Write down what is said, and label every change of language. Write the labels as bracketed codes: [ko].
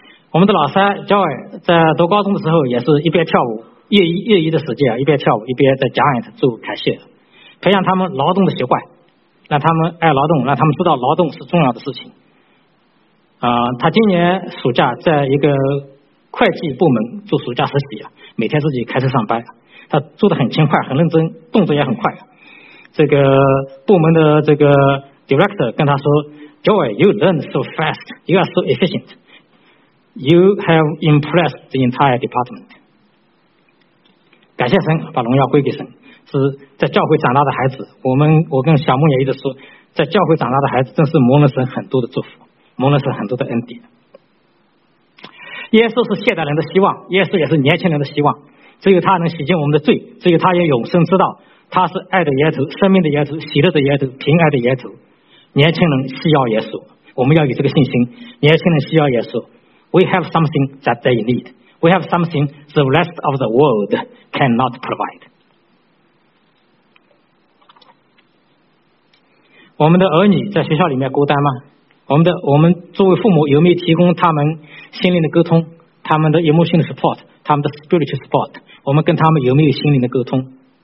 [zh] 我们的老三 Joy 在读高中的时候也是一边跳舞，业余的时间一边跳舞一边在 Giant 做凯谢，培养他们劳动的习惯，让他们爱劳动，让他们知道劳动是重要的事情他今年暑假在一个会计部门做暑假实习每天自己开车上班，他做得很勤快很认真，动作也很快。这个部门的这个 director 跟他说， [en] Joy you learn so fast you are so efficient you have impressed the entire department。 [zh] 感谢神，把荣耀归给神。是在教会长大的孩子，我跟小牧也一直说，在教会长大的孩子正是蒙了神很多的祝福，蒙了神很多的恩典。耶稣是现代人的希望，耶稣也是年轻人的希望，只有他能洗净我们的罪，只有他有永生之道，他是爱的耶稣，生命的耶稣，喜乐的耶稣，平安的耶稣。年轻人需要耶稣，我们要有这个信心。年轻人需要耶稣。 [en] We have something that they need. We have something the rest of the world cannot provide. [zh] 我们的儿女在学校里面孤单吗？我们作为父母有没有提供他们心灵的沟通，他们的 [en] emotional support, [zh] 他们的 [en] spiritual support? [zh] 我们跟他们有没有心灵的沟通？